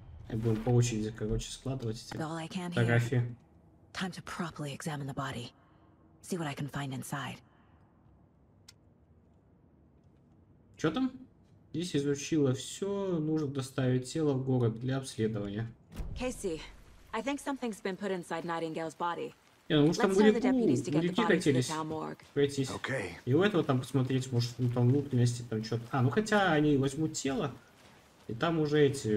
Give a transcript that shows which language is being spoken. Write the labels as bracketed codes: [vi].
[ru] И будем по очереди, короче, складывать эти фотографии. [en] Time to properly examine the body. See what I can find inside. [ru] Чё там? Здесь изучила все. Нужно доставить тело в город для обследования. [en] Casey, I think something's been put inside Nightingale's body. Yeah, let's tell the deputies to get the body to the town morgue. Okay. [ru] И у этого там посмотреть, может, ну, там внутренности там что-то. А, ну хотя они возьмут тело, и там уже эти